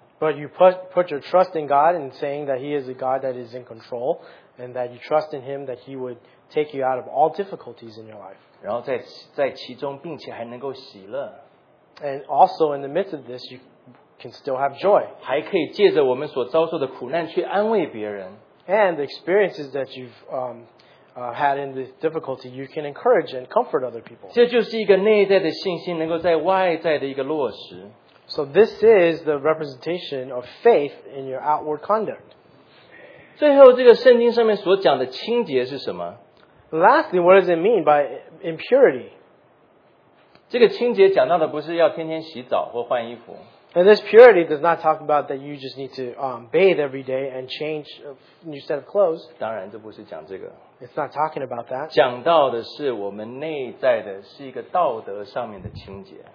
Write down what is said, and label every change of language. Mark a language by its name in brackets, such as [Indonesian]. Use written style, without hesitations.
[English] But you put your trust in God and saying that He is a God that is in control and that you trust in Him that He would take you out of all difficulties in your life. [Chinese] 然后在其中并且还能够喜乐。 [English] And also in the midst of this, you can still have joy. [Chinese] 还可以借着我们所遭受的苦难去安慰别人。 [English] And the experiences that you've had in this difficulty, you can encourage and comfort other people. [Chinese] 这就是一个内在的信心能够在外在的一个落实。 [English] So this is the representation of faith in your outward conduct. [Chinese] 最后这个圣经上面所讲的清洁是什么? [English] Lastly, what does it mean by impurity? [Chinese] 这个清洁讲到的不是要天天洗澡或换衣服。 [English] And this purity does not talk about that you just need to bathe every day and change a new set of clothes. [Chinese] 当然这不是讲这个。 [English] It's not talking about that. [Chinese] 讲到的是我们内在的是一个道德上面的清洁。